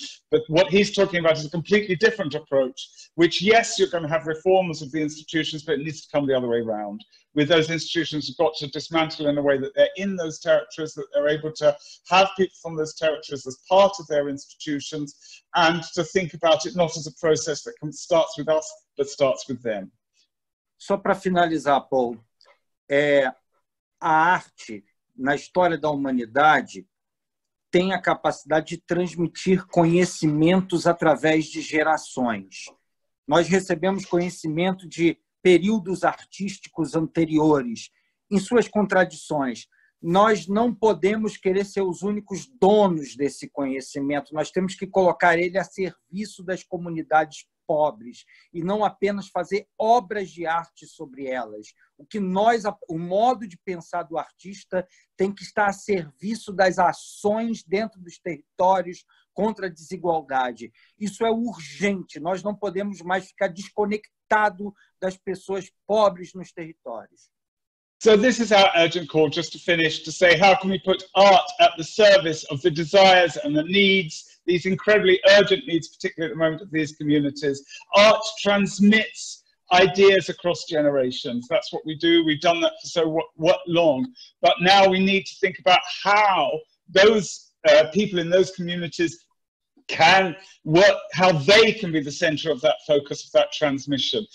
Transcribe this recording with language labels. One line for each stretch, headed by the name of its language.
English: But what he's talking about is a completely different approach, which, yes, you're going to have reforms of the institutions, but it needs to come the other way around. With those institutions, you've got to dismantle in a way that they're in those territories, that they're able to have people from those territories as part of their institutions, and to think about it not as a process that starts with us, but starts with them.
Portuguese: Só para finalizar, Paul, a arte na história da humanidade tem a capacidade de transmitir conhecimentos através de gerações. Nós recebemos conhecimento de períodos artísticos anteriores, em suas contradições. Nós não podemos querer ser os únicos donos desse conhecimento, nós temos que colocar ele a serviço das comunidades pobres e não apenas fazer obras de arte sobre elas. O modo de pensar do artista tem que estar a serviço das ações dentro dos territórios contra a desigualdade. Isso é urgente, nós não podemos mais ficar desconectado das pessoas pobres nos territórios.
English: So this is our urgent call, just to finish, to say how can we put art at the service of the desires and the needs, these incredibly urgent needs, particularly at the moment, of these communities. Art transmits ideas across generations. That's what we do. We've done that for so what long. But now we need to think about how those people in those communities can work, how they can be the center of that focus of that transmission.